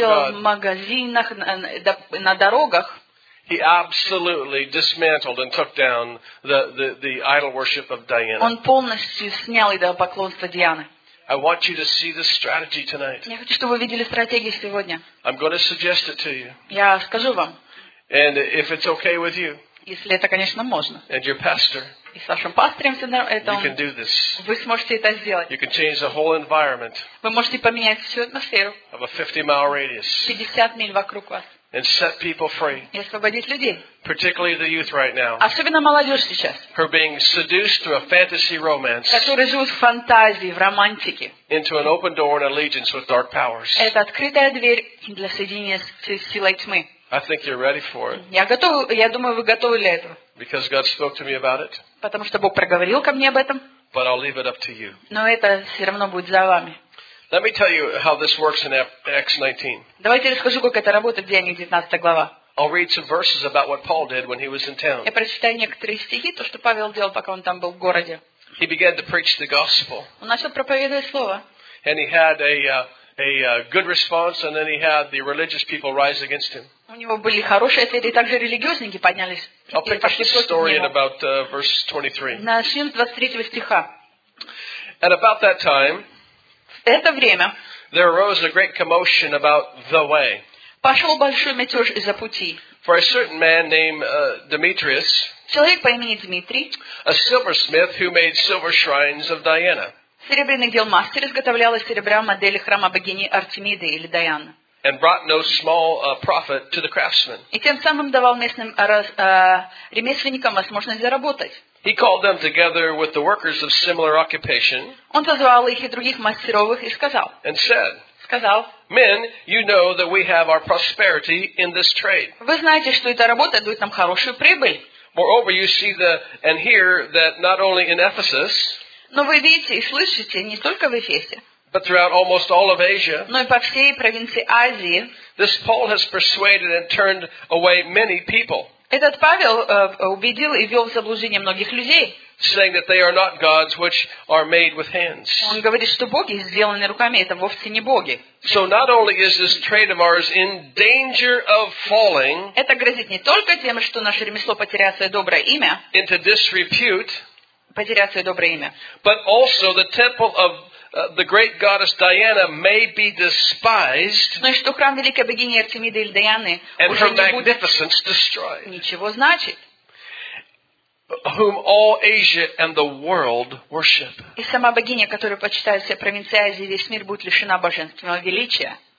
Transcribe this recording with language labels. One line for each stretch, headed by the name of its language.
Russian: которые он делал в магазинах, на дорогах,
English: he absolutely dismantled and took down the idol worship of Diana.
Russian: Он полностью снял идолопоклонство Дианы.
English: I want you to see this strategy tonight.
Russian: Я хочу, чтобы вы видели стратегию сегодня.
English: I'm going to suggest it to you.
Russian: Я скажу вам.
English: And if it's okay with you.
Russian: Если это, конечно, можно.
English: And your pastor.
Russian: И с вашим пастором всегда это.
English: You can do this.
Russian: Вы сможете это сделать.
English: You can change the whole environment.
Russian: Вы можете поменять всю атмосферу.
English: Of a 50-mile radius.
Russian: 50 миль вокруг вас.
English: And set people free.
Russian: И освободить людей.
English: Particularly the youth right now.
Russian: Особенно молодежь сейчас.
English: Who are being seduced through a fantasy romance.
Russian: Которые живут в фантазии, в романтике.
English: Into an open door and allegiance with dark powers.
Russian: Это открытая дверь для соединения с силой тьмы.
English: I think you're ready for it.
Russian: Я готов. Я думаю, вы готовы для этого.
English: Because God spoke to me about it.
Russian: Потому что Бог проговорил ко мне об этом.
English: But I'll leave it up to you.
Russian: Но это все равно будет за вами.
English: Let me tell you how this works in Acts 19.
Russian: Давайте расскажу, как это работает в Деяниях 19 глава.
English: I'll read some verses about what Paul did when he was in town.
Russian: Я прочитаю некоторые стихи, то, что Павел делал, пока он там был в городе.
English: He began to preach the gospel.
Russian: Он начал проповедовать слово.
English: And he had a good response, and then he had the religious people rise against him.
Russian: У него были хорошие ответы, и также религиозники поднялись.
English: I'll pick up the story in about verse 23.
Russian: Начнем с 23 стиха.
English: And about that time, there arose a great commotion about the way.
Russian: Пошел большой мятеж из-за пути.
English: For a certain man named Demetrius,
Russian: человек по имени Дмитрий,
English: a silversmith who made silver shrines of Diana.
Russian: Серебряных дел мастер изготовлял из серебра модели храма богини Артемиды или Дианы.
English: And brought no small profit to the craftsmen.
Russian: И тем самым давал местным ремесленникам возможность заработать.
English: He called them together with the workers of similar occupation.
Russian: Он созвал их и других мастеровых и сказал.
English: And said.
Russian: Сказал.
English: Men, you know that we have our prosperity in this trade.
Russian: Вы знаете, что эта работа дает нам хорошую прибыль.
English: Moreover, you see the and hear that not only in Ephesus.
Russian: Но вы видите и слышите не только в Эфесе.
English: But throughout almost all of Asia.
Russian: Но и по всей провинции Азии.
English: This Paul has persuaded and turned away many people.
Russian: Этот Павел убедил и ввел в заблуждение многих людей.
English: Saying that they are not gods which are made with hands.
Russian: Он говорит, что боги сделаны руками, это вовсе не боги.
English: So not only is this trade of ours in danger of falling.
Russian: Это грозит не только тем, что наше ремесло потеряет свое доброе имя.
English: Into disrepute.
Russian: Потеряет свое доброе имя.
English: But also the temple of the great goddess Diana may be despised.
Russian: Но что храм великой богини Артемиды или Дианы уже не будет ничего значить.
English: Whom all Asia and the world worship.
Russian: И сама богиня, которую почитают все провинции Азии, весь мир будет лишена божественного величия.